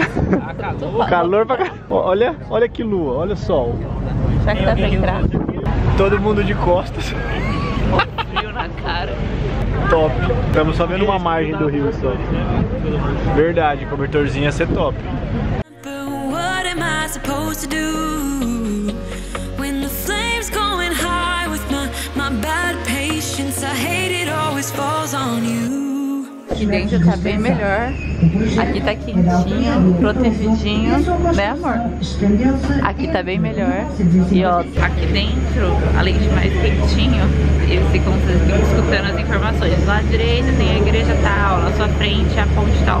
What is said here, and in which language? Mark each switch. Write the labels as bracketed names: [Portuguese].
[Portuguese] Tá calor. Calor pra caramba. Olha, olha que lua, olha o sol. Será que dá pra entrar? Todo mundo de costas. Frio na cara. Top. Estamos só vendo uma margem do rio só. Verdade, cobertorzinho ia ser top. [English] What am I supposed to do when the flames going high with my bad patience? I hate it always falls on you. [Portuguese] Aqui dentro tá bem melhor. Aqui tá quentinho, protegidinho, né, amor? Aqui tá bem melhor. E ó, aqui dentro, além de mais quentinho, eles ficam escutando as informações. Lá à direita tem a igreja tal, na sua frente a ponte tal.